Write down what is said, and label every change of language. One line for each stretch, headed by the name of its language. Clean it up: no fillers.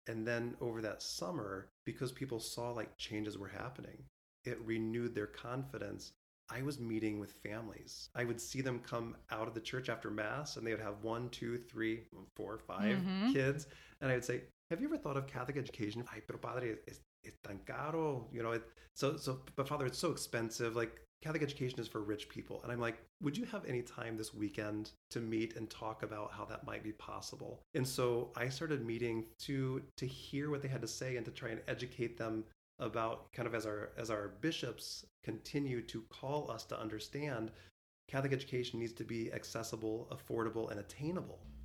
English: And then over that summer, because people saw, like, changes were happening, it renewed their confidence. I was meeting with families. I would see them come out of the church after Mass, and they would have 1, 2, 3, 4, 5 mm-hmm. kids. And I would say, have you ever thought of Catholic education?
Spanish: Ay, pero padre, es tan caro.
English: You know, but Father, it's so expensive. Like, Catholic education is for rich people. And I'm like, would you have any time this weekend to meet and talk about how that might be possible? And so I started meeting to hear what they had to say and to try and educate them about, kind of, as our bishops continue to call us to understand, Catholic education needs to be accessible, affordable, and attainable.